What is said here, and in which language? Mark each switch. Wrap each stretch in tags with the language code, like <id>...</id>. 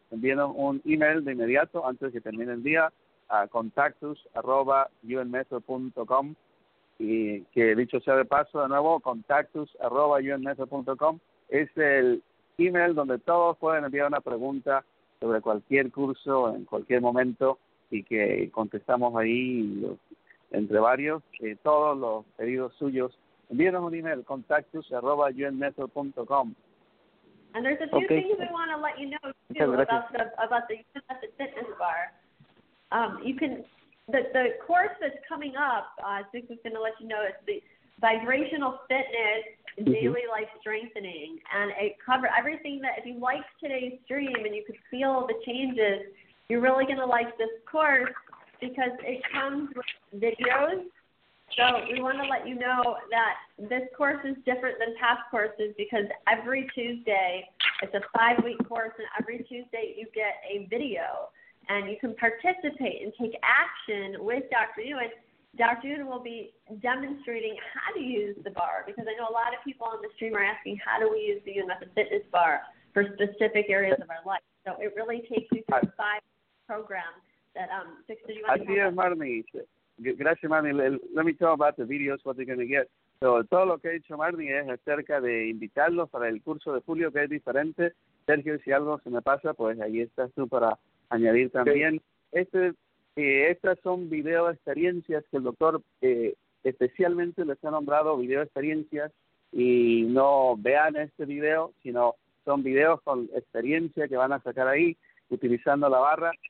<es>Envíanos un email de inmediato antes de que termine el día a contactus@unmetro.com, y que dicho sea de paso, de nuevo, contactus@unmetro.com es el email donde todos pueden enviar una pregunta sobre cualquier curso en cualquier momento, y que contestamos ahí entre varios, que todos los pedidos suyos. Envíenos un email, contactus@unmetro.com.</es> <en>And there's a few things we want to let you know too about the UNMethod Fitness Bar. The course that's coming up, Zeke is going to let you know, it's the Vibrational Fitness Daily Life Strengthening, and it covers everything that, if you like today's stream and you could feel the changes, you're really going to like this course because it comes with videos. So we want to let you know that this course is different than past courses because every Tuesday, it's a 5-week course, and every Tuesday you get a video and you can participate and take action with Dr. Ewan. Dr. Ewan will be demonstrating how to use the bar, because I know a lot of people on the stream are asking, how do we use the UNMethod Fitness Bar for specific areas of our life? So it really takes you through 5 programs that Sixto, you want to talk about?</en> <es>Así es, Marnie. Gracias, Marnie.</es> <en>Let me talk about the videos, what they're going to get.</en> <es>So, todo lo que ha dicho Marnie es acerca de invitarlos para el curso de julio, que es diferente. Sergio, si algo se me pasa, pues ahí estás tú para añadir también. Okay. Estas son video experiencias que el doctor especialmente les ha nombrado video experiencias, y no vean este video, sino son videos con experiencia que van a sacar ahí utilizando la barra.</es>